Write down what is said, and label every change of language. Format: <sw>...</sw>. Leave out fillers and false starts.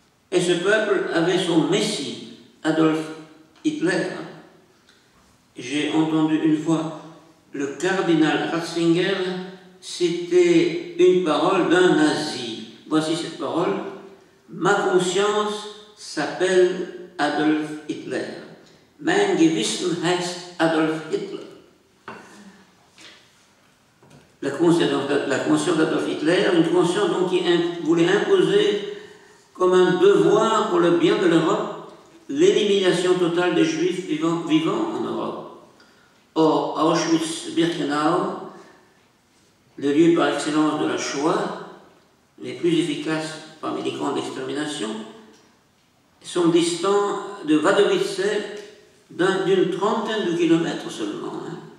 <fr>Et ce peuple avait son messie, Adolf Hitler. J'ai entendu une fois le cardinal Ratzinger, c'était une parole d'un nazi. Voici cette parole. « Ma conscience s'appelle Adolf Hitler. »</fr> <de>mein Gewissen heißt Adolf Hitler.</de> <fr>La conscience d'Adolf Hitler, une conscience donc qui voulait imposer comme un devoir pour le bien de l'Europe l'élimination totale des Juifs vivant en Europe. Or, Auschwitz-Birkenau, le lieu par excellence de la Shoah, les plus efficaces parmi les camps d'extermination, sont distants de Wadowice d'une trentaine de kilomètres seulement. Hein.</fr>